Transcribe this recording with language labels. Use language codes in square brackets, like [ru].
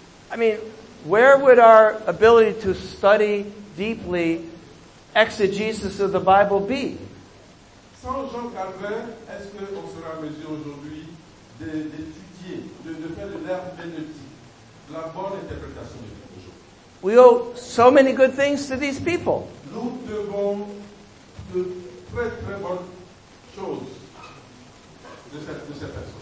[en] I mean, where would our ability to study deeply exegesis of the Bible be? [fr] Sans Jean Calvin, est-ce qu'on sera en mesure aujourd'hui d'étudier, de faire de l'herméneutique, la bonne interprétation de la Bible? [en] We owe so many good things to these people. [fr] Nous devons de très très bonnes choses de cette personne.